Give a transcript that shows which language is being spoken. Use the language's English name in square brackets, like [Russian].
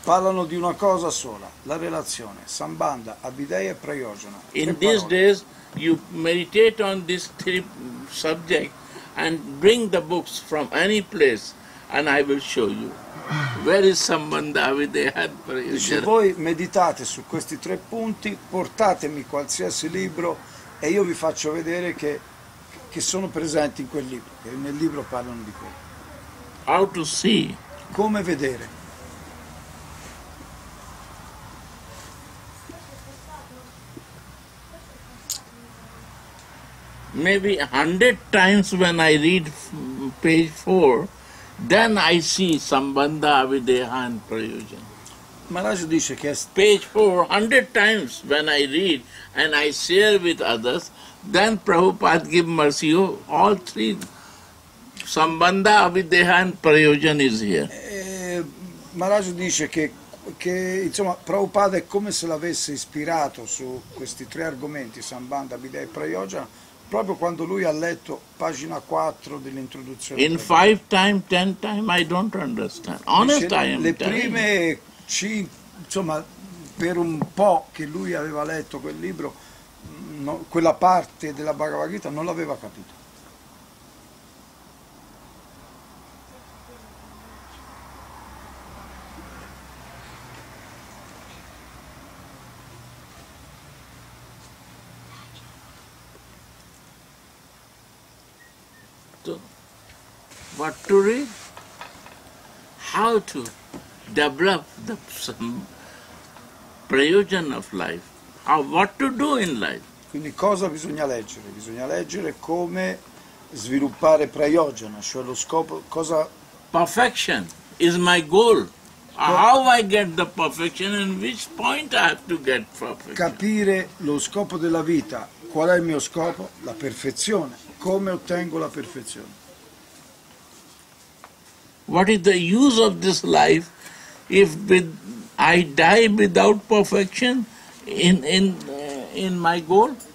[Italian] Parlano di una cosa sola, la relazione, Sambandha, Abideha e Prayojana. [English] In these days you meditate on this three subject and bring the books from any place and I will show you where is Sambandha, Abideha and Prayojana. [Italian] Dice, voi meditate su questi tre punti, portatemi qualsiasi libro e io vi faccio vedere che sono presenti in quel libro, che nel libro parlano di quello. [English] how to see. [Italian] Come vedere. [English] Maybe 100 times when I read page 4, then I see sambandha, avideha and prayojan. [Italian] Maharaj dice che [English] page 4, 100 times when I read and I share with others, then Prabhupada give mercy, oh, all three, sambandha, avideha and prayojan is here. [Italian] Maharaj dice che insomma Prabhupada è come se l'avesse ispirato su questi tre argomenti, sambandha, avideha e prayojan, proprio quando lui ha letto pagina 4 dell'introduzione. [English] In 5 time, 10 time, I don't understand. Honest, I am [Italian] le prime insomma, per un po' che lui aveva letto quel libro, no, quella parte della Bhagavad Gita non l'aveva capito. [English] What to read? How to develop the prayojan of life? How, what to do in life? [Italian] Quindi cosa bisogna leggere? Bisogna leggere come sviluppare prayojana, cioè lo scopo, cosa... [English] Perfection is my goal. How I get the perfection and which point I have to get perfection? [Italian] Capire lo scopo della vita. Qual è il mio scopo? La perfezione. Come ottengo la perfezione? [English] What is the use of this life if I die without perfection in my goal?